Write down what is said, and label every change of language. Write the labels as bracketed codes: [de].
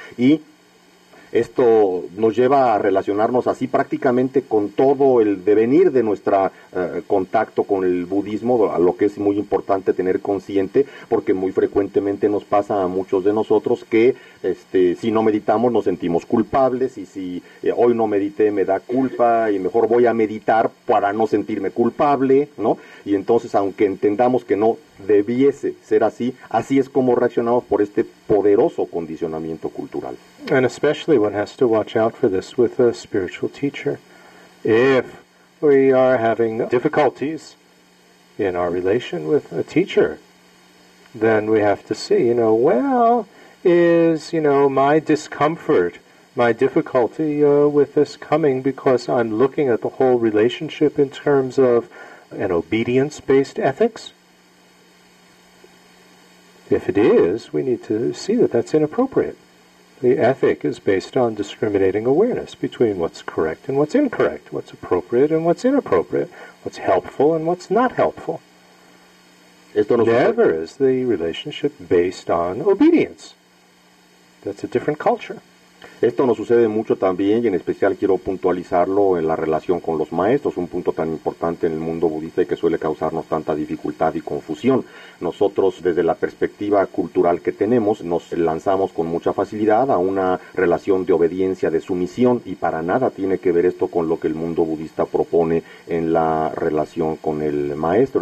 [es] Y esto nos lleva a relacionarnos así prácticamente con todo el devenir de nuestro contacto con el budismo, a lo que es muy importante tener consciente, porque muy frecuentemente nos pasa a muchos de nosotros que si no meditamos nos sentimos culpables, y si hoy no medité me da culpa, y mejor voy a meditar para no sentirme culpable, ¿no? Y entonces, aunque entendamos que no debiese ser así, así es como reaccionamos por este poderoso condicionamiento cultural. [en] And especially one has to watch out for this with a spiritual teacher. If we are having difficulties in our relation with a teacher, then we have to see, you know, well, is, you know, my discomfort, my difficulty with this coming because I'm looking at the whole relationship in terms of an obedience-based ethics? If it is, we need to see that that's inappropriate. The ethic is based on discriminating awareness between what's correct and what's incorrect, what's appropriate and what's inappropriate, what's helpful and what's not helpful. [es] Esto no [en] Never is the relationship based on obedience. That's a different culture. [es] Esto nos sucede mucho también, y en especial quiero puntualizarlo en la relación con los maestros, un punto tan importante en el mundo budista y que suele causarnos tanta dificultad y confusión. Nosotros, desde la perspectiva cultural que tenemos, nos lanzamos con mucha facilidad a una relación de obediencia, de sumisión, y para nada tiene que ver esto con lo que el mundo budista propone en la relación con el maestro.